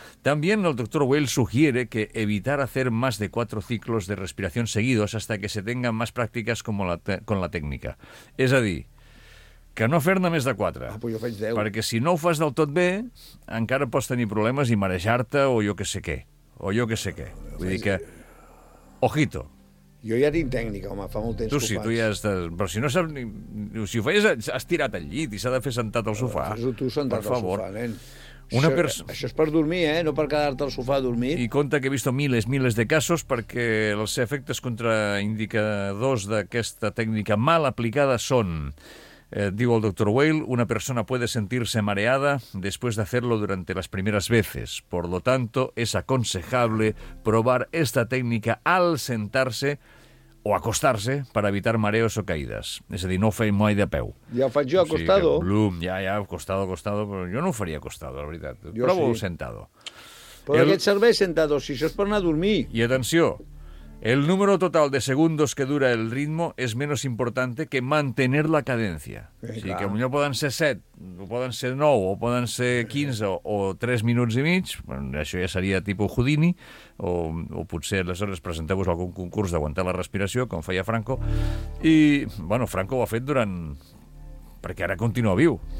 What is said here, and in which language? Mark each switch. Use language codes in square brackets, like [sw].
[es] També el doctor Whale sugiere que evitar hacer más de 4 ciclos de respiración seguidos hasta que se tengan más prácticas con la técnica. [ca] És a dir, que no fer-ne més de 4. Ah, pues jo faig 10. Perquè si no ho fas del tot bé, encara pots tenir problemes i marejar-te o jo que sé què. O jo que sé què. Vull dir que... Ojito. Jo ja tinc tècnica, home, fa molt temps tu, que sí, ho faig. Tu sí, tu ja estàs... Però si no saps ni... Si ho feies, has tirat al llit i s'ha de fer sentat al sofà. Fes-ho tu sentat al sofà, nen. Això és per dormir, eh? No per quedar-te al sofà adormit. I compte que he vist milers de casos perquè els efectes contraindicadors d'aquesta tècnica mal aplicada són... [es] digo el doctor Whale, una persona puede sentirse mareada después de hacerlo durante las primeras veces. Por lo tanto, es aconsejable probar esta técnica al sentarse o acostarse para evitar mareos o caídas. Es decir, [ca] no fer mai de peu. Ja ho faig jo acostado. O sigui, blum, ja, acostado, però jo no ho faria acostado, la veritat. Jo provo sí. Sentado. Però el... aquest serveix sentado, si això és per anar a dormir. I atenció... [es] El número total de segundos que dura el ritmo es menos importante que mantener la cadencia. [ca] Sí, o sigui, clar. Que poden ser 7, o poden ser 9, o poden ser 15, o 3 minuts i mig, bueno, això ja seria tipus Houdini, o potser aleshores presenteu-vos algun concurs d'aguantar la respiració, com feia Franco. I, bueno, Franco ho ha fet durant... Perquè ara continua viu.